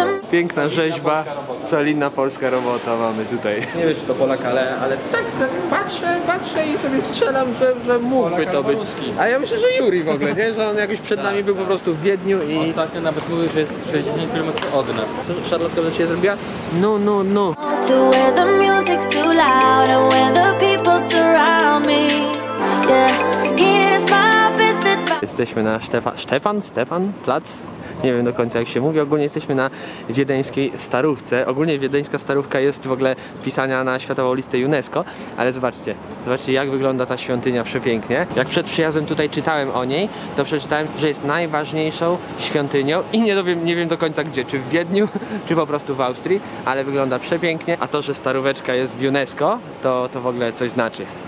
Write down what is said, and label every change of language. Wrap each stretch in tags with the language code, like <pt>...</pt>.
<pl>Piękna rzeźba, solidna polska robota mamy tutaj. Nie wiem, czy to Polak, ale tak, patrzę i sobie strzelam, że mógłby to być. A ja myślę, że Juri w ogóle, nie? Że on jakoś przed nami był po prostu w Wiedniu i... Ostatnio nawet mówił, że jest 60 km od nas. Szarlotka do ciebie zrobiła? No.</pl> <en>To where the music's too loud and where the people surround me. Yeah, here's my best advice.</en> <pl>Jesteśmy na Stefan Plac? Nie wiem do końca jak się mówi, ogólnie jesteśmy na wiedeńskiej starówce. Ogólnie wiedeńska starówka jest w ogóle wpisana na światową listę UNESCO, ale zobaczcie jak wygląda ta świątynia przepięknie. Jak przed przyjazdem tutaj czytałem o niej, to przeczytałem, że jest najważniejszą świątynią i nie wiem do końca gdzie, czy w Wiedniu, czy po prostu w Austrii, ale wygląda przepięknie, a to, że staróweczka jest w UNESCO, to w ogóle coś znaczy.</pl>